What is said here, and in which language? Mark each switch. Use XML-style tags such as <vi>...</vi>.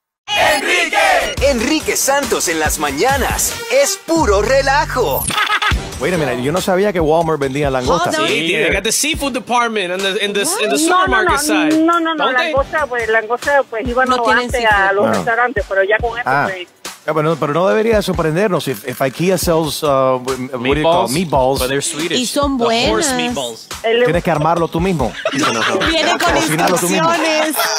<es>Enrique Santos en las mañanas es puro relajo.</es> <en>Wait a minute,</en> <es>yo no sabía que Walmart vendía langosta.</es> <en>Sí, they got the seafood department and in the supermarket</en> <es>side. No, langosta, pues langosta, pues iban a los restaurantes, pero ya con esto. Ah, pero no debería sorprendernos</es> <en>if IKEA sells meatballs, but they're Swedish.</en> <es>Y son buenas.</es> <en>Horse meatballs.</en> <es>Tienes que armarlo tú mismo. Viene con instrucciones.</es>